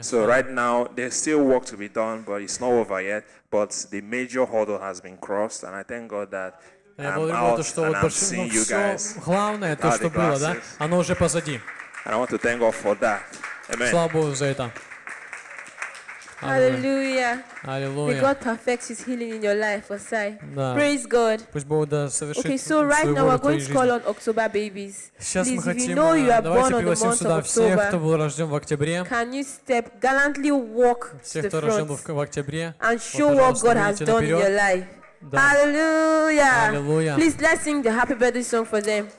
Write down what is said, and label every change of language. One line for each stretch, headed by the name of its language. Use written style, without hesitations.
English: So right now there's still work to be done, but it's not over yet. But the major hurdle has been crossed, and I thank God that.
Russian: Я благодарю то, что вот большое, ну, все главное, то, что было, да, оно уже позади. Слава Богу за это. Аллилуйя.
English: God perfects His healing in your life, Osai. Praise God.
Russian: Пусть Бог да совершит.
English: Okay, so right now we're going to call on October babies.
Russian: Сейчас мы хотим,
English: you know you are born
Russian: давайте пригласим сюда всех, кто был рожден в октябре.
English: Can you step gallantly walk
Russian: всех, кто рожден в октябре,
English: and show what God has done in your life. Да. Hallelujah. Hallelujah. Please let's sing the happy birthday song for them.